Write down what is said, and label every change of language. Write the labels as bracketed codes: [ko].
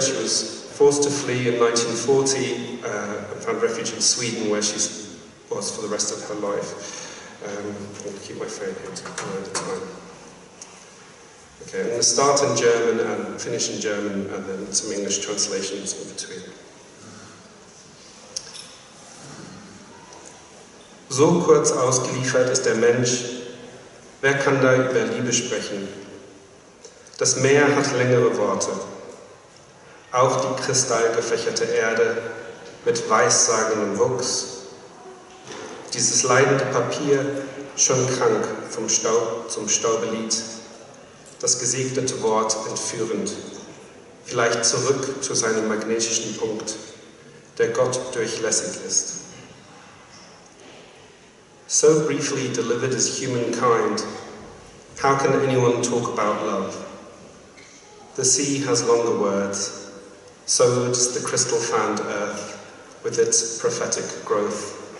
[en] She was forced to flee in 1940 and found refuge in Sweden, where she was for the rest of her life. I'm going to keep my phone here to keep an eye on time. Okay, I'm going to start in German and finish in German, and then some English translations in between. [de] So kurz ausgeliefert ist der Mensch, wer kann da über Liebe sprechen? Das Meer hat längere Worte, auch die kristallgefächerte Erde mit weissagendem Wuchs. Dieses leidende Papier, schon krank vom Staub zum Staubelied, das gesegnete Wort entführend, vielleicht zurück zu seinem magnetischen Punkt, der Gott durchlässig ist. [en] So briefly delivered is humankind, how can anyone talk about love? The sea has longer words, so does the crystal fanned earth with its prophetic growth.